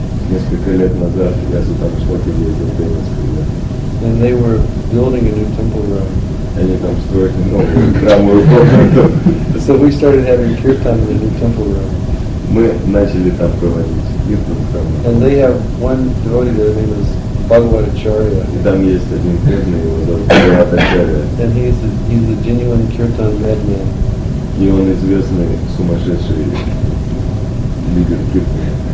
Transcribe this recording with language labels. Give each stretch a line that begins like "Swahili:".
Russian: Несколько лет назад я за там что-то ездил в Донецке.
English: And they were building a new temple room.
Russian: Они там строили новую храмовую комнату.
English: So we started having kirtan in the new temple room.
Russian: Мы начали там проводить kirtan в храме.
English: And they have one devotee there, his name is Bhagavatacharya.
Russian: И там есть один преданный, его зовут Бхагаватачарья.
English: And he's a genuine kirtan madman.
Russian: И он известный сумасшедший лидер kirtan.